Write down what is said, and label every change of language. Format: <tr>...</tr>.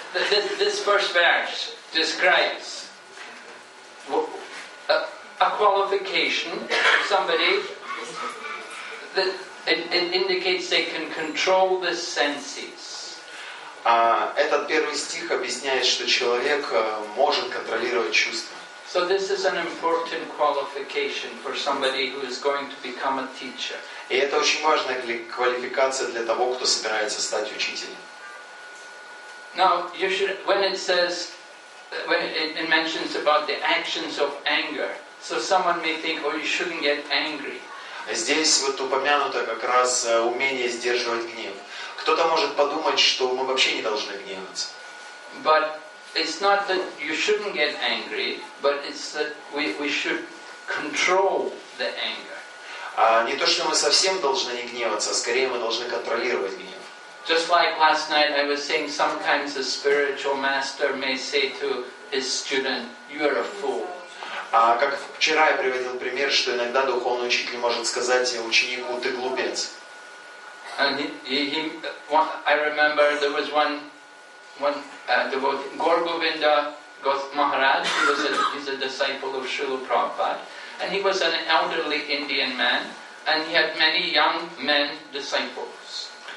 <en>This first verse describes a qualification of somebody that it indicates they can control the senses.</en> <ru>Этот первый стих объясняет, что человек может контролировать чувства.</ru> <en>So this is an important qualification for somebody who is going to become a teacher.</en> <ru>И это очень важная квалификация для того, кто собирается стать учителем.</ru> <en>Now, you should, when it says, when it mentions about the actions of anger, so someone may think, oh, you shouldn't get angry.</en> <ru>Здесь вот упомянуто как раз умение сдерживать гнев. Кто-то может подумать, что мы вообще не должны гневаться.</ru> <en>But it's not that you shouldn't get angry, but it's that we should control the anger.</en> <ru>Не то, что мы совсем должны не гневаться, а скорее мы должны контролировать гнев.</ru> <en>Just like last night I was saying, sometimes a spiritual master may say to his student, you are a fool.</en> <ru>Как вчера я приводил пример, что иногда духовный учитель может сказать ученику, ты глупец.</ru> <en>I remember there was one devotee, Gaur Govinda Maharaj, he's a disciple of Srila Prabhupada, and he was an elderly Indian man, and he had many young men disciples.</en>